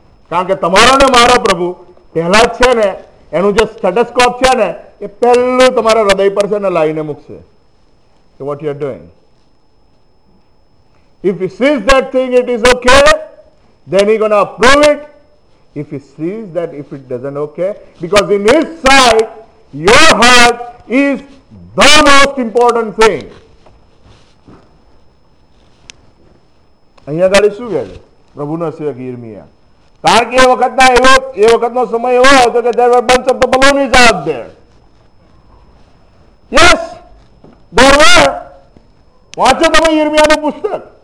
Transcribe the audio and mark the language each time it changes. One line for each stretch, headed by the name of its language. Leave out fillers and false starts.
Gujarati: કારણ કે તમારો ને મારો પ્રભુ પહેલા છે ને, એનું જે સ્ટેટસ્કોપ છે ને, એ પહેલું તમારા હૃદય પર છે ને લાવીને મૂકશે.
English: What you are doing, if you sees that thing it is okay, then he gonna approve it. If he sees that if it doesn't okay, because in his sight your heart is the most important thing.
Gujarati: અહીંયા ગાડી શું કહે છે, પ્રભુનો સેવક યિર્મિયા, કારણ કે એ વખતનો સમય એવો હતો કે
English: there were bunch of the Babylonians out there. Yes, there were.
Gujarati: વાંચો તમે યિર્મિયાનું પુસ્તક.